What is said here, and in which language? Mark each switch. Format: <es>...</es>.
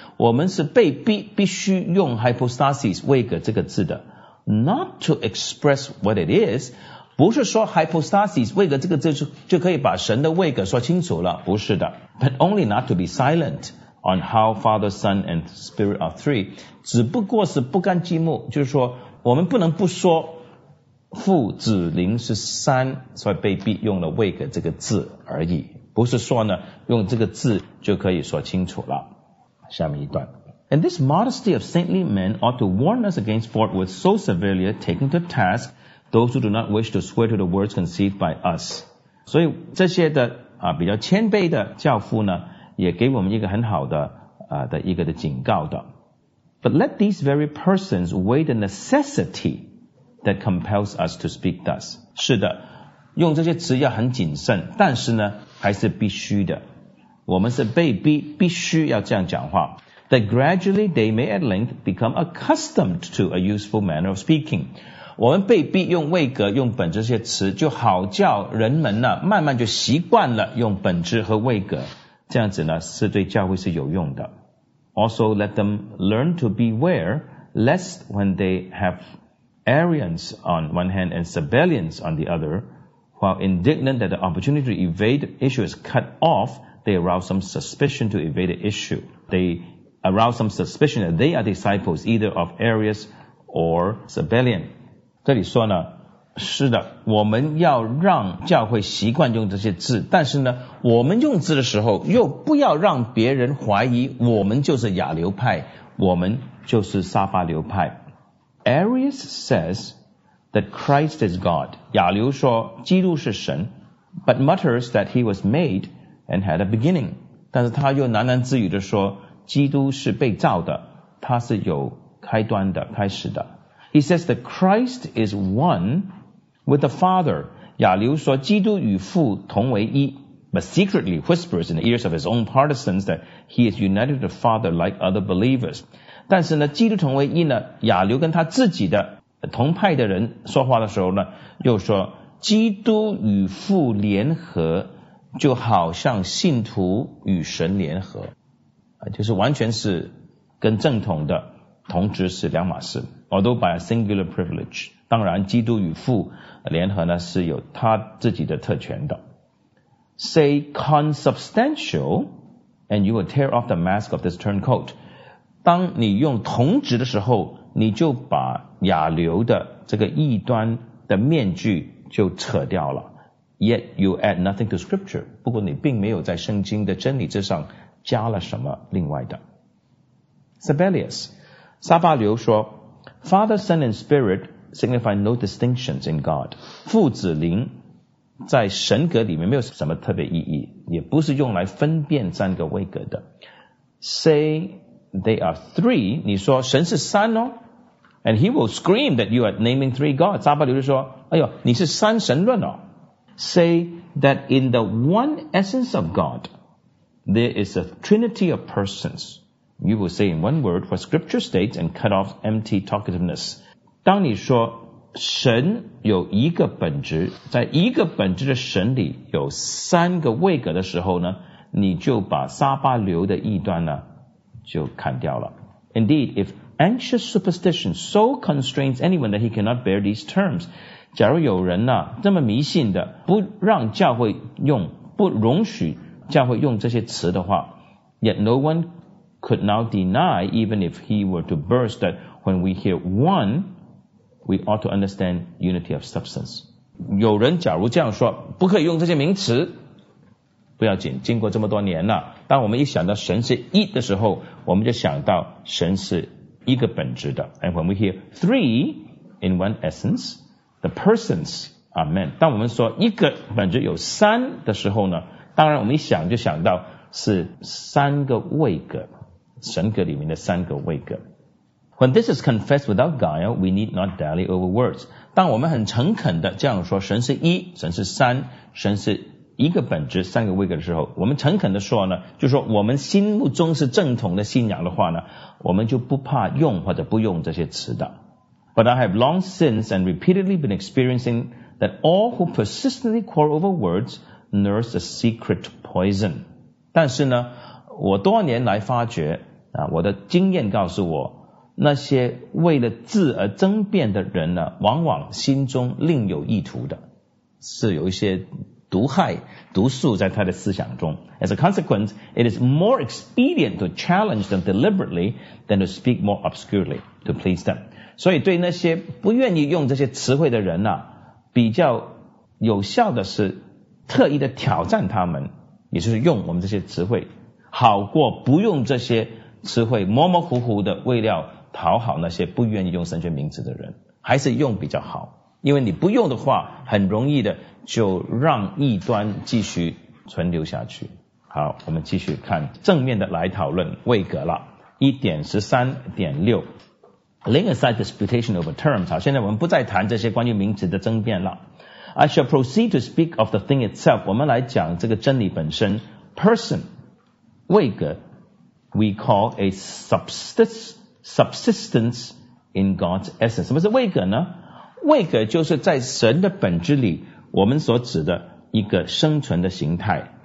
<zh>我们是被逼必须用 hypostasis 为个这个字的。</zh> <en>Not to express what it is,</en> <zh>不是说 hypostasis 为个这个字就可以把神的为个说清楚了，不是的。</zh> <en>But only not to be silent on how Father, Son, and Spirit are three.</en> <zh>只不过是不甘寂寞，就是说我们不能不说父子灵是三，所以被逼用了为个这个字而已。不是说呢用这个字就可以说清楚了。下面一段。</zh> <en>And this modesty of saintly men ought to warn us against forthwith so severely taking to task those who do not wish to swear to the words conceived by us.</en> <zh>所以这些的比较谦卑的教父呢也给我们一个很好的的一个的警告的。</zh> <en>But let these very persons weigh the necessity that compels us to speak thus.</en> <zh>是的，用这些词要很谨慎，但是呢还是必须的，我们是被逼必须要这样讲话。</zh> <en>That gradually they may at length become accustomed to a useful manner of speaking.</en> <zh>我们被逼用位格用本这些词，就好叫人们呢慢慢就习惯了用本质和位格，这样子呢是对教会是有用的。</zh> <en>Also let them learn to beware lest when they have Arians on one hand and Sabellians on the other,while indignant that the opportunity to evade the issue is cut off, they arouse some suspicion to evade the issue. They arouse some suspicion that they are disciples either of Arius or Sabellian.</en> <zh>这里说呢，是的，我们要让教会习惯用这些字，但是呢，我们用字的时候又不要让别人怀疑我们就是亚流派，我们就是撒巴流派。</zh> <en>Arius says,that Christ is God.</en> <zh>亚流说基督是神</zh> <en>but mutters that he was made and had a beginning.</en> <zh>但是他又喃喃自语地说基督是被造的，他是有开端的，开始的。</zh> <en>He says that Christ is one with the Father.</en> <zh>亚流说基督与父同为一</zh> <en>but secretly whispers in the ears of his own partisans that he is united to the Father like other believers.</en> <zh>但是呢基督同为一呢，亚流跟他自己的同派的人说话的时候呢，又说基督与父联合，就好像信徒与神联合，就是完全是跟正统的同职是两码事。</zh> <en>Although by a singular privilege,</en> <zh>当然基督与父联合呢是有他自己的特权的。</zh> <en>Say consubstantial, and you will tear off the mask of this turncoat.</en> <zh>当你用同职的时候，你就把亚流的这个异端的面具就扯掉了。</zh> <en>Yet you add nothing to scripture.</en> <zh>不过你并没有在圣经的真理之上加了什么另外的。</zh> <en>Sabellius,</en> <zh>撒巴流说</zh> <en>Father, Son, and Spirit signify no distinctions in God.</en> <zh>父子灵在神格里面没有什么特别意义，也不是用来分辨三个位格的。</zh> <en>Say they are three.</en> <zh>你说神是三哦。</zh> <en>And he will scream that you are naming three gods.</en> <zh>撒巴流就说哎呦你是三神论哦。</zh> <en>Say that in the one essence of God, there is a trinity of persons. You will say in one word what scripture states and cut off empty talkativeness.</en> <zh>当你说神有一个本质，在一个本质的神里有三个位格的时候呢，你就把撒巴流的异端呢就砍掉了。</zh> <en>Indeed, ifAnxious superstition so constrains anyone that he cannot bear these terms.</en> <zh>假如有人呢这么迷信的，不让教会用，不容许教会用这些词的话，</zh> <en>yet no one could now deny, even if he were to burst, that when we hear one, we ought to understand unity of substance.</en> <zh>有人假如这样说，不可以用这些名词，不要紧，经过这么多年了，当我们一想到神是一的时候，我们就想到神是一个本质的。</zh> <en>And when we hear three in one essence, the persons are men.</en> <zh>当我们说一个本质有三的时候呢，当然我们一想就想到是三个位格，神格里面的三个位格。</zh> <en>When this is confessed without guile, we need not dally over words.</en> <zh>当我们很诚恳的这样说神是一，神是三，神是一个本质三个位格的时候，我们诚恳的说呢，就说我们心目中是正统的信仰的话呢，我们就不怕用或者不用这些词的。</zh> <en>But I have long since and repeatedly been experiencing that all who persistently quarrel over words nurse a secret poison.</en> <zh>但是呢，我多年来发觉啊，我的经验告诉我，那些为了字而争辩的人呢，往往心中另有意图的，是有一些毒害毒素在他的思想中。</zh> <en>As a consequence, it is more expedient to challenge them deliberately than to speak more obscurely to please them.</en> <zh>所以对那些不愿意用这些词汇的人呢，比较有效的是特意的挑战他们，也就是用我们这些词汇，好过不用这些词汇模模糊糊的为了讨好那些不愿意用神学名词的人，还是用比较好。因为你不用的话，很容易的就让异端继续存留下去。好，我们继续看正面的来讨论位格了。 1.13.6</zh> <en>Laying aside disputation over terms,</en> <zh>好，现在我们不再谈这些关于名词的争辩了。</zh> <en>I shall proceed to speak of the thing itself.</en> <zh>我们来讲这个真理本身。 Person, 位格，</zh> <en>We call a subsistence in God's essence.</en> <zh>什么是位格呢？位格就是在神的本质里我们所指的一个生存的形态。</zh>